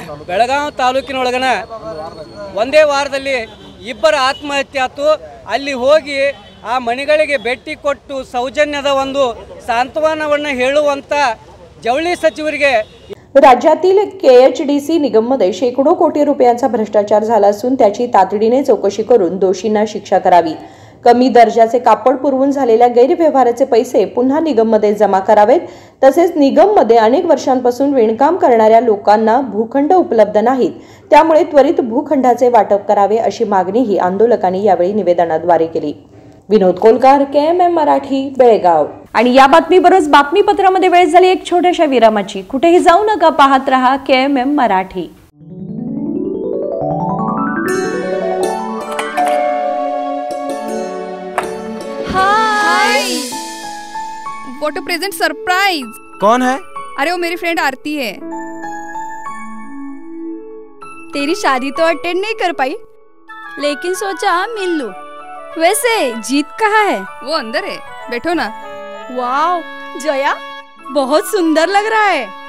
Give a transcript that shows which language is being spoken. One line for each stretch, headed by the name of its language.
Kannada: ಬೆಳಗಾವಿ ತಾಲೂಕಿನೊಳಗನ ಒಂದೇ ವಾರದಲ್ಲಿ 2 ಆತ್ಮಹತ್ಯೆ ಆಯ್ತು. ಅಲ್ಲಿ ಹೋಗಿ ಆ ಮನೆಗಳಿಗೆ ಭೇಟಿ ಕೊಟ್ಟು ಸೌಜನ್ಯದ ಒಂದು ಸಾಂತ್ವನವನ್ನು ಹೇಳುವಂಥ ಜವಳಿ ಸಚಿವರಿಗೆ.
Marathi: राज्यातील KHDC निगममध्ये 100 कोटी रुपयांचा भ्रष्टाचार झाला असून त्याची तातडीने चौकशी करून दोषींना शिक्षा करावी. कमी दर्जाचे कापड पुरवून झालेल्या गैरव्यवहाराचे पैसे पुन्हा निगममध्ये जमा करावेत. तसेच निगममध्ये अनेक वर्षांपासून विणकाम करणाऱ्या लोकांना भूखंड उपलब्ध नाहीत, त्यामुळे त्वरित भूखंडाचे वाटप करावे अशी मागणीही आंदोलकांनी यावेळी निवेदनाद्वारे केली. विनोद कोलकार, KMM मराठी, बेळगाव. आणि या बातमीबरोबरच बातमीपत्रामध्ये वेळ झाली एक छोट्याशा विरामाची. कुठेही जाऊ नका, पाहत रहा KMM Marathi.
English: Hi, what a present surprise.
Hindi: कौन है? अरे वो मेरी फ्रेंड आरती है. तेरी शादी तो अटेंड नहीं कर पाई, लेकिन सोचा मिल लूं। वैसे जीत कहाँ है? वो अंदर है, बैठो ना। वाव जया, बहुत सुंदर लग रहा है।